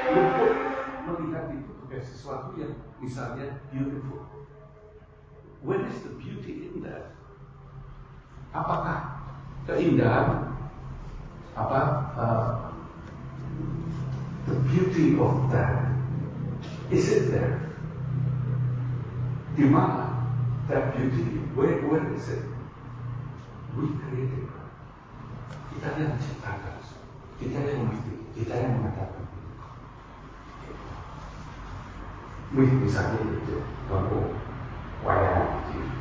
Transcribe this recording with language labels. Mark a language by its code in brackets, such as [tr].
[id] Kamu melihat itu sebagai sesuatu yang misalnya beautiful. [en] Where is the beauty in that? Apakah keindahan? Apa the beauty of that, is it there? Di mana that beauty, where is it? We created it. [id] Kita yang menciptakan, kita yang mengerti, kita yang mengatakan. Misalnya itu contoh wayang itu.